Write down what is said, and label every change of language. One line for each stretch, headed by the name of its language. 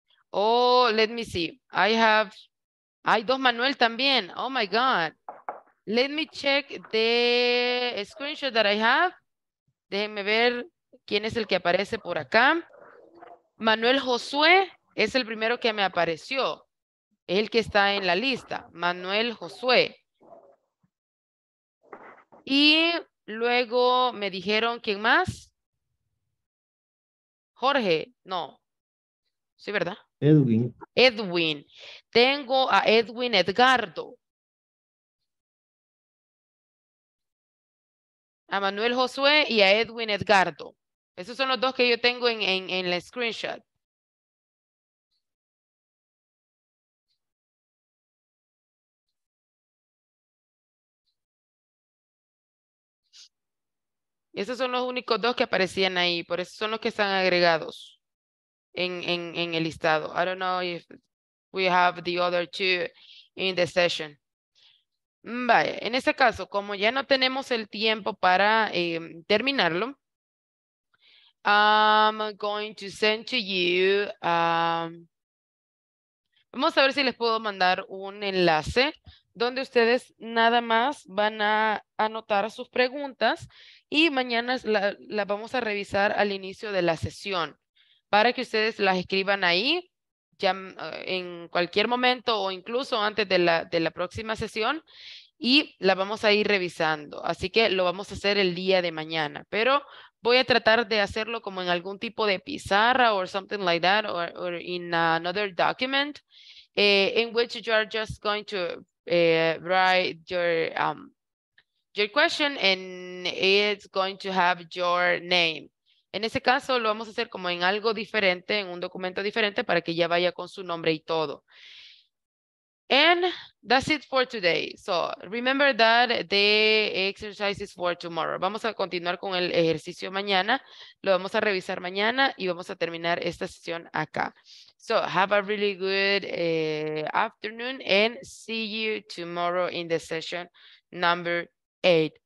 English: Oh, let me see.
Spanish: Hay dos Manuel también.
English: Oh, my God. Let me check the screenshot that I have.
Spanish: Déjenme ver quién es el que aparece por acá. Manuel Josué es el primero que me apareció. Es el que está en la lista. Manuel Josué. Y luego me dijeron, ¿quién más? Jorge, no. Sí, ¿verdad? Edwin. Edwin. Tengo a Edwin Edgardo. A Manuel Josué y a Edwin Edgardo. Esos son los dos que yo tengo en la screenshot. Esos son los únicos dos que aparecían ahí, por eso son los que están agregados en el listado.
English: I don't know if we have the other two in the session.
Spanish: Vaya, en este caso, como ya no tenemos el tiempo para terminarlo,
English: I'm going to send to you,
Spanish: vamos a ver si les puedo mandar un enlace donde ustedes nada más van a anotar sus preguntas y mañana la vamos a revisar al inicio de la sesión para que ustedes las escriban ahí ya en cualquier momento o incluso antes de la próxima sesión y la vamos a ir revisando. Así que lo vamos a hacer el día de mañana, pero voy a tratar de hacerlo como en algún tipo de pizarra
English: or something like that or in another document in which you are just going to write your question and it's going to have your name.
Spanish: En ese caso lo vamos a hacer como en algo diferente, en un documento diferente para que ya vaya con su nombre y todo.
English: And that's it for today. So remember that the exercise is for tomorrow.
Spanish: Vamos a continuar con el ejercicio mañana. Lo vamos a revisar mañana y vamos a terminar esta sesión acá.
English: So have a really good afternoon and see you tomorrow in the session number 8.